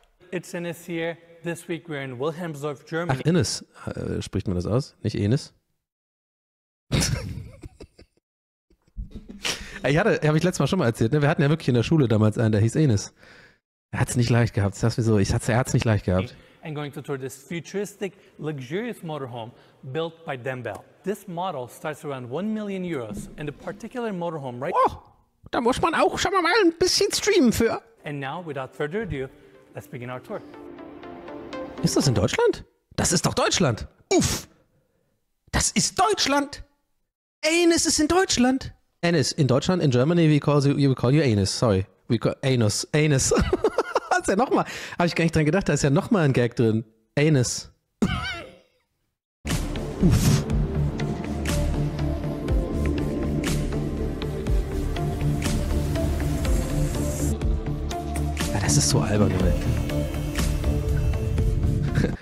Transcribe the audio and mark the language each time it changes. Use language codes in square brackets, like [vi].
[en] It's Enes here. This week we're in Wilhelmsdorf, Germany. [de] Ach, Enes, spricht man das aus? Nicht Enes? Ich hatte, habe ich letztes Mal schon mal erzählt, ne? Wir hatten ja wirklich in der Schule damals einen, der hieß Enes. Er hat es nicht leicht gehabt. Sag's mir so, er hat es nicht leicht gehabt. [en] And going to tour this futuristic, luxurious motorhome built by Dembel. This model starts around 1 million euros and the particular motorhome right... [de] Oh, da muss man auch schon mal ein bisschen streamen für. [en] And now, without further ado, let's begin our tour. [de] Ist das in Deutschland? Das ist doch Deutschland. Uff. Das ist Deutschland. Enes ist in Deutschland. [en] Enes, [de] in Deutschland, [en] in Germany, we call you Enes, sorry. We call Enes. [de] Ja, nochmal. Habe ich gar nicht dran gedacht, da ist ja nochmal ein Gag drin. Enes. Uff. Ja, das ist so albern, Leute.